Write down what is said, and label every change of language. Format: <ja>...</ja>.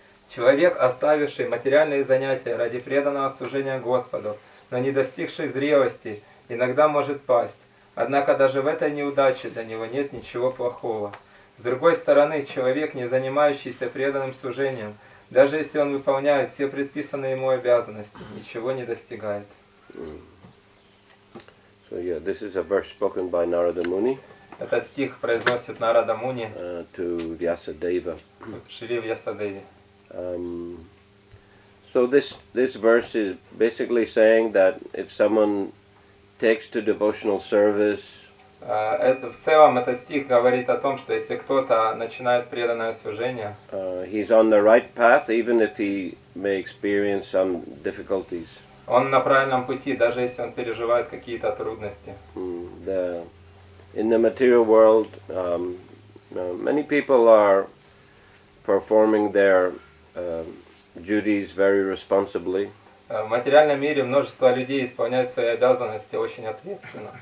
<ru>Человек, оставивший материальные занятия ради преданного служения Господу, но не достигший зрелости, иногда может пасть. Однако даже в этой неудаче для него нет ничего плохого. С другой стороны, человек, не занимающийся преданным служением, даже если он выполняет все предписанные ему обязанности, ничего не достигает.</ru> <en>So, yeah, this is a verse spoken by Narada Muni.</en> <ru>Этот стих произносит Нарада Муни.</ru> <en>To Vyasadeva.</en> <ru>Шри Вьясадеве.</ru> <en>So this verse is basically saying that if someone takes to devotional service.</en> <ru>В целом этот стих говорит о том, что если кто-то начинает преданное служение,</ru> <en>he's on the right path, even if he may experience some difficulties.</en> <ru>Он на правильном пути, даже если он переживает какие-то трудности.</ru> <en>In the material world, many people are performing their duties very responsibly.</en> <ru>В материальном мире множество людей исполняют свои обязанности очень ответственно.</ru>